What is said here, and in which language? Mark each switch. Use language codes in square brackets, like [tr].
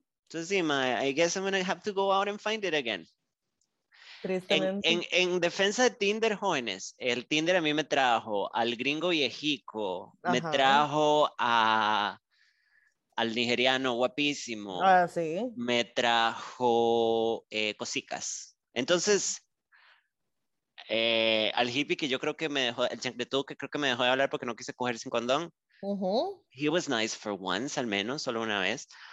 [es] Entonces sí, mae, [en] I guess I'm gonna have to go out and find it again. [es] En defensa de Tinder, jóvenes, el Tinder a mí me trajo al gringo viejico, ajá. me trajo al nigeriano guapísimo, sí. me trajo cosicas. Entonces, al hippie que yo creo que me dejó, el chancletú que creo que me dejó de hablar porque no quise coger sin condón, uh-huh. [en] he was nice for once, [es] al menos, solo una vez.